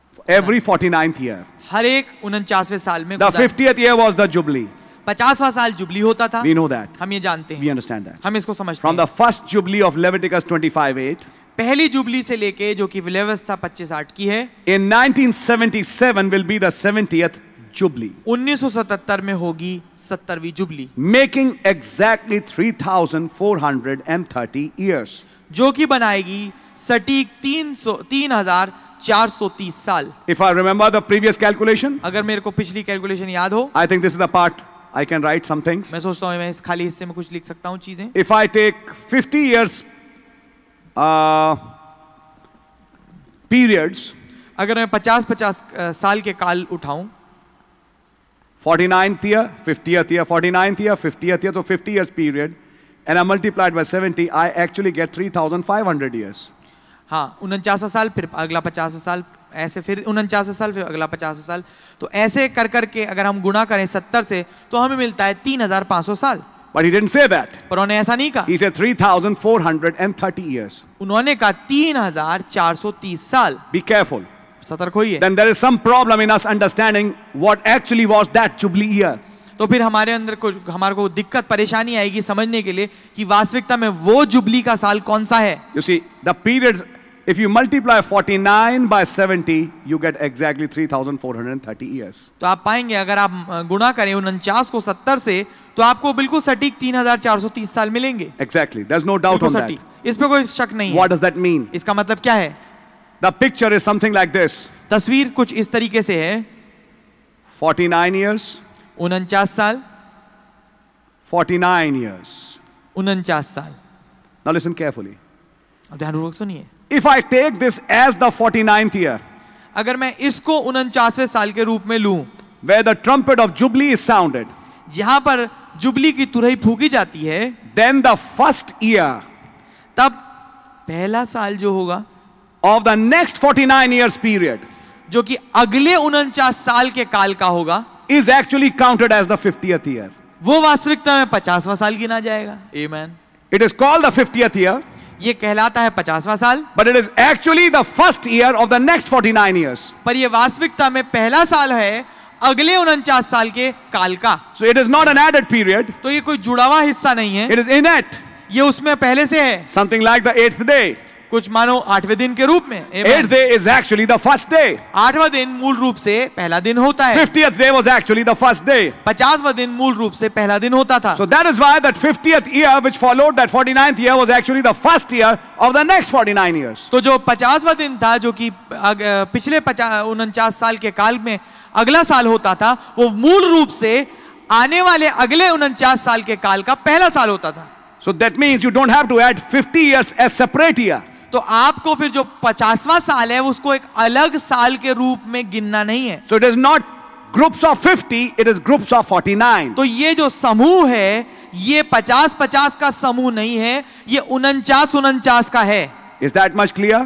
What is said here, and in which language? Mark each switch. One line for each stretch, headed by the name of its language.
English: Every 49th year.
Hindi: हर एक 49वें साल में.
English: The 50th year was the jubilee.
Hindi: 50वां साल जुबली होता था.
English: We know that.
Hindi: हम ये जानते हैं.
English: We understand that.
Hindi: हम इसको समझते हैं.
English: From the first jubilee of Leviticus 25:8.
Hindi: पहली जुबली से लेके जो कि व्यवस्था 25:8 की है.
English: In 1977 will be the 70th jubilee.
Hindi: 1977 में होगी 70वीं जुबली.
English: Making exactly 3430 years.
Hindi: जो कि बनाएगी सटीक 300 430 साल.
English: If I remember the previous calculation,
Hindi: अगर मेरे को पिछली calculation याद हो,
English: I think this is the part I can write some things.
Hindi: मैं सोचता हूँ मैं इस खाली हिस्से में कुछ लिख सकता हूँ चीजें.
English: If I take 50 years periods,
Hindi: अगर मैं 50-50 साल के काल उठाऊँ,
English: 49th year, 50th year, 49th year, 50th year, so 50 years period, and I multiplied by 70, I actually get 3,500 years.
Hindi: हाँ, 49 साल, फिर अगला 50 साल, ऐसे फिर 49 साल, फिर अगला 50 साल, तो ऐसे कर कर के अगर हम गुना करें 70 से, तो हमें मिलता है 3,500 साल.
English: But he didn't say that.
Hindi: पर उन्होंने ऐसा नहीं कहा.
English: He said 3,430 years.
Hindi: उन्होंने कहा 3,430 साल.
English: Be careful.
Hindi: सतर्क होइए.
English: Then there is some problem in us understanding what actually was that jubilee year.
Hindi: तो फिर हमारे अंदर कुछ हमारे को दिक्कत परेशानी आएगी समझने के लिए कि वास्तविकता में वो जुबली का साल कौन सा है.
English: You see, the periods, if you multiply 49 by 70, you get exactly 3,430 years.
Hindi: तो आप पाएंगे अगर आप गुणा करें 49 को 70 से तो आपको बिल्कुल सटीक 3,430 साल मिलेंगे.
English: Exactly, there's no doubt on that.
Hindi: इस पे कोई शक नहीं.
English: What does that mean?
Hindi: इसका मतलब क्या है?
English: The picture is something like this.
Hindi: तस्वीर कुछ इस तरीके से है.
English: 49 years.
Hindi: 49 साल.
English: 49 years.
Hindi: 49 साल.
English: Now listen carefully.
Hindi: अब ध्यान पूर्वक सुनिए.
English: If I take this as the 49th year.
Hindi: अगर मैं इसको 49वें साल के रूप में लूं.
English: Where the trumpet of jubilee is sounded.
Hindi: जहां पर जुबली की तुरही फूकी जाती है.
English: Then the first year.
Hindi: तब पहला साल जो होगा.
English: Of the next 49 years period,
Hindi: जो कि अगले 49 साल के काल का होगा,
English: is actually counted as the 50th year.
Hindi: वो वास्तविकता में 50वां साल गिना जाएगा.
English: Amen. It is called the 50th year.
Hindi: ये कहलाता है 50वां साल.
English: But it is actually the first year of the next 49 years.
Hindi: पर ये वास्तविकता में पहला साल है अगले 49 साल के काल का.
English: So it is not an added period.
Hindi: तो ये कोई जुड़ावा हिस्सा नहीं है.
English: It is innate.
Hindi: ये उसमें पहले से है.
English: Something like the 8th day.
Hindi: कुछ मानो आठवें दिन के रूप में.
English: Eighth day is actually the first day.
Hindi: आठवां दिन मूल रूप से पहला दिन होता है.
English: 50th day was actually the first day.
Hindi: 50वां दिन मूल रूप से पहला दिन होता था.
English: So that is why that 50th year which followed that 49th year was actually the first year of the next 49 years.
Hindi: तो जो 50वां दिन था जो कि पिछले 49 साल के काल में अगला साल होता था वो मूल रूप से आने वाले अगले 49 साल के काल का पहला साल होता था.
English: So that means you don't have to add 50 years as separate year.
Hindi: तो आपको फिर जो 50वां साल है उसको एक अलग साल के रूप में गिनना नहीं है.
English: So it is not groups of 50, it is groups of 49.
Hindi: तो ये जो समूह है ये 50-50 का समूह नहीं है, ये 49-49 का है.
English: Is that much clear?